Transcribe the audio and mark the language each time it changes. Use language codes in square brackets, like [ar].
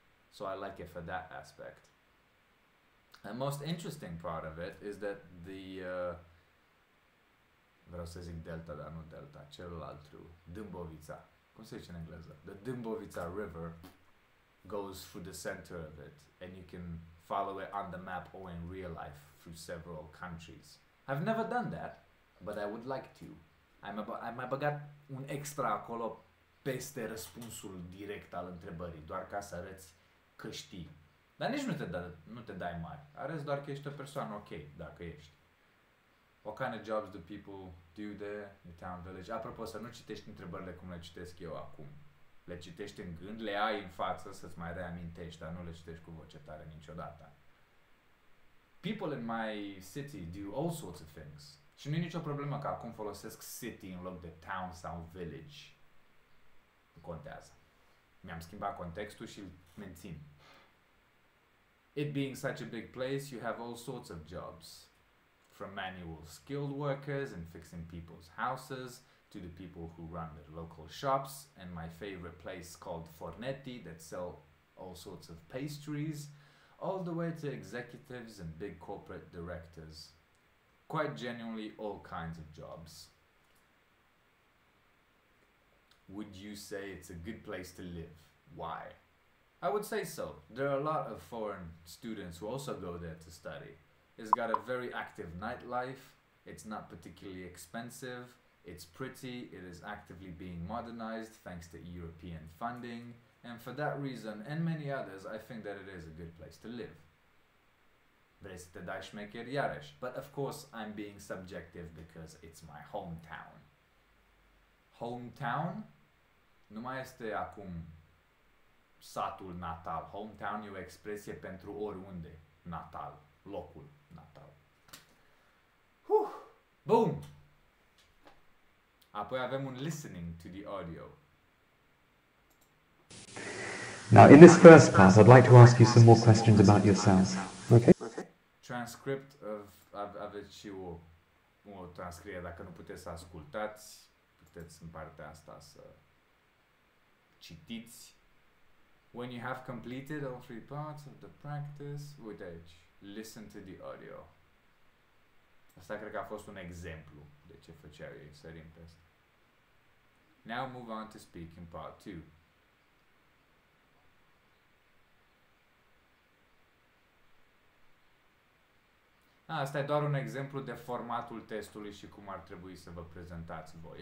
[en] So I like it for that aspect. The most interesting part of it is that the [ro] vreau să zic Delta, dar nu Delta, celălaltru, Dâmbovița. Cum se zice în engleză? [en] The Dâmbovița River goes through the center of it, and you can follow it on the map or in real life through several countries. I've never done that, but I would like to. [ro] Am mai băgat un extra acolo peste răspunsul direct al întrebării, doar ca să arăți că știi. Dar nici nu te dai mari. Arăți doar că ești o persoană ok, dacă ești. [en] What kind of jobs do people do there, the town, village? [ro] Apropo, să nu citești întrebările cum le citesc eu acum. Le citești în gând, le ai în față să-ți mai reamintești, dar nu le citești cu voce tare niciodată. [en] People in my city do all sorts of things. [ro] Și nu e nicio problemă că acum folosesc city în loc de town sau village. Nu contează. Mi-am schimbat contextul și îl mențin. [en] It being such a big place, you have all sorts of jobs. From manual skilled workers and fixing people's houses to the people who run the local shops and my favorite place called Fornetti that sell all sorts of pastries, all the way to executives and big corporate directors. Quite genuinely, all kinds of jobs. Would you say it's a good place to live? Why? I would say so. There are a lot of foreign students who also go there to study. It's got a very active nightlife, it's not particularly expensive, it's pretty, it is actively being modernized thanks to European funding, and for that reason, and many others, I think that it is a good place to live. [ro] Vrei să te dai șmecher? Iarăși. [en] But of course, I'm being subjective because it's my hometown. Hometown? [ro] Nu mai este acum satul natal. Hometown e o expresie pentru oriunde natal, locul natal. [en] Whew. Boom! [ro] Apoi avem un [en] listening to the audio. Now, in this first part, I'd like to ask you some more questions about yourself. Okay? Transcript of... [ro] aveți și o transcriere. Dacă nu puteți să ascultați, puteți în partea asta să citiți. [en] When you have completed all three parts of the practice, with age, listen to the audio. [ro] Asta cred că a fost un exemplu de ce făceau ei, sărim peste. [en] Now move on to speak in part 2. [ro] Asta e doar un exemplu de formatul testului și cum ar trebui să vă prezentați voi.